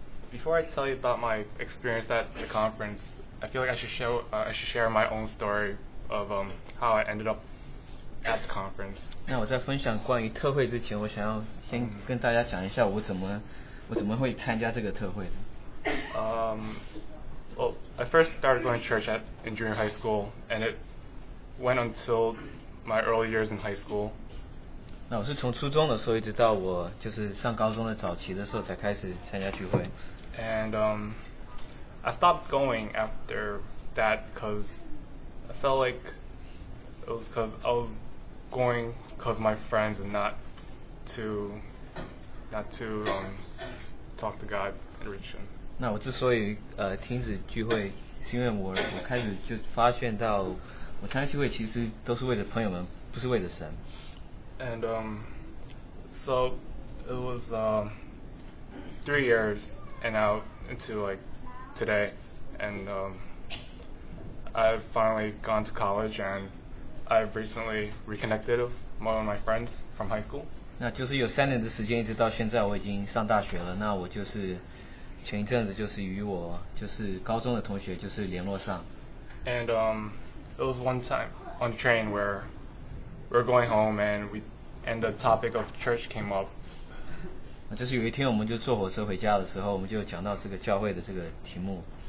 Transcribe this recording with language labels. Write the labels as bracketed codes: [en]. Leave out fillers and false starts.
[en] Before I tell you about my experience at the conference, I feel like I should share my own story of how I ended up at the conference. [zh] 那我在分享关于特会之前，我想要先跟大家讲一下我怎么会参加这个特会的。 [en] I first started going to church in junior high school, and it went until my early years in high school. [zh] 那我是从初中的时候一直到我就是上高中的早期的时候才开始参加聚会。 [en] And I stopped going after that because I felt like it was because I was going because my friends and not to talk to God and reach Him. [zh] 那我之所以停止聚会，是因为我开始就发现到我参加聚会其实都是为了朋友们，不是为了神。 [en] And so it was 3 years and out into like today, and I've finally gone to college and I've recently reconnected with one of my friends from high school. [zh] 那就是有三年的时间，一直到现在我已经上大学了。那我就是前一阵子就是与我就是高中的同学就是联络上。 [en] And it was one time on train where we're going home and And the topic of church came up. [zh] 就是有一天我们就坐火车回家的时候，我们就讲到这个教会的这个题目。